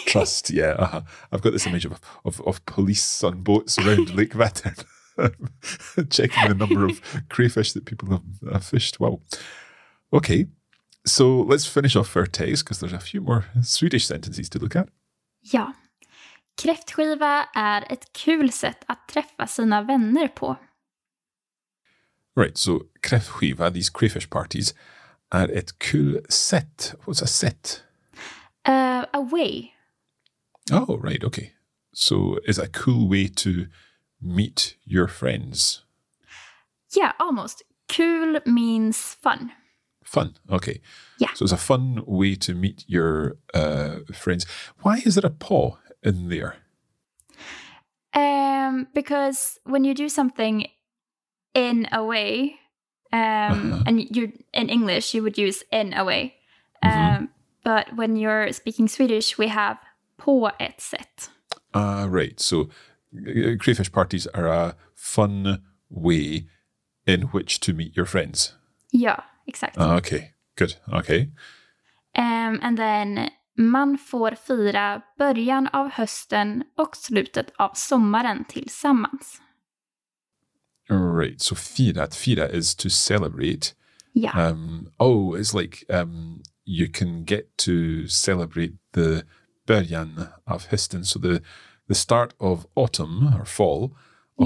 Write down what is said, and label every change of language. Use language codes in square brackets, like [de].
[en] Trust, yeah. Uh-huh. I've got this image of police on boats around Lake Vättern checking the number of crayfish that people have fished. Wow. Okay, so let's finish off our text because there's a few more Swedish sentences to look at. Yeah. [sv] Kräftskiva är ett kul sätt att träffa sina vänner på. [en] Right, so kräftskiva, these crayfish parties, [sv] är ett kul sätt. [en] What's a sätt? A way. Oh, right, okay. So is a cool way to meet your friends? Yeah, almost. Kul means fun. Fun, okay. Yeah. So it's a fun way to meet your friends. Why is there a paw in there? Because when you do something in a way, uh-huh, and you're in English, you would use in a way. Mm-hmm. But when you're speaking Swedish, we have [sv] på ett sätt. [en] Right. So crayfish parties are a fun way in which to meet your friends. Yeah, exactly. Okay, good. Okay. And then [sv] man får fira början av hösten och slutet av sommaren tillsammans. [en] Right, so fira. Fira is to celebrate. Yeah. It's like you can get to celebrate the [sv] början av hösten, [en] so the start of autumn or fall, och